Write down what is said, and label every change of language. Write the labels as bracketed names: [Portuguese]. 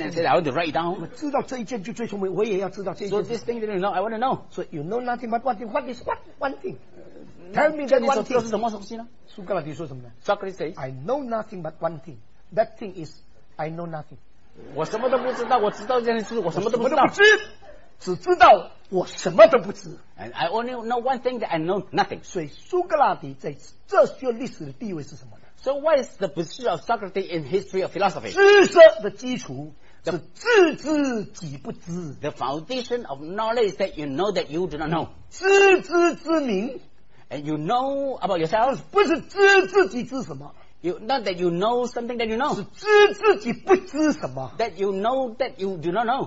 [Chinese] 他们快到宾拿去，你知道这一件事情就等着。我知道这一件就最聪明，我也要知道这一件事情。So [English] this thing you know, I want to know. So you know nothing but one thing. What is what one thing? Tell me that one thing. [Chinese] 这是什么东西呢？苏格拉底说什么呢？ [English] Socrates says, I know nothing but one thing. That thing is, I know nothing. [Chinese] 我什么都不知道，我知道这件事，我什么都不知道。只知道我什么都不知, [English] and I only know one thing, that I know nothing. [Chinese] 所以苏格拉底在哲学历史的地位是什么呢? [English] So what is the position of Socrates in history of philosophy? [Chinese] 知识的基础是自知己不知, [English] the foundation of knowledge is that you know that you do not know. [Chinese] 自知之明, [English] and you know about yourself. [Chinese] 不是知自己知什么, [English] you, not that you know something that you know. [Chinese] 是知自己不知什么, [English] that you know that you do not know.